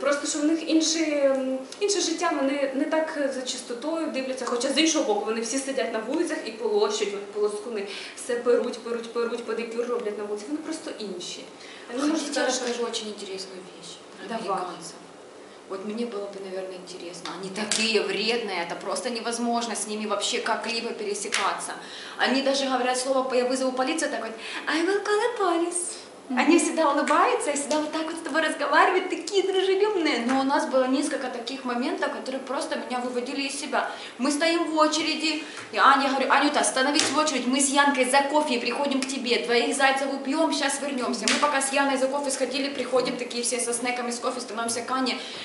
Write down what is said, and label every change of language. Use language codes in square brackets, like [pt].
[uk] Просто що в них інше життя, вони не так за чистотою дивляться, хоча з іншого боку, вони всі сидять на вулицях і полощуть, полоскуни, все перуть, педикюр роблять на вулиці. Вони просто інші. Хочете, я розкажу дуже цікаву віч про американців. [ru] Вот мне было бы, наверное, интересно. Они такие вредные, это просто невозможно с ними вообще как-либо пересекаться. Они даже говорят слово по я вызову полицию, так вот, [en] I will call the police. Mm-hmm. [ru] Они всегда улыбаются, и всегда вот так вот с тобой разговаривают, такие дружелюбные. Но у нас было несколько таких моментов, которые просто меня выводили из себя. Мы стоим в очереди, и Аня говорит, Анюта, становись в очередь, мы с Янкой за кофе приходим к тебе, двоих зайцев упьем, сейчас вернемся. Мы пока с Яной за кофе сходили, приходим такие все со снеками с кофе, становимся к Ане.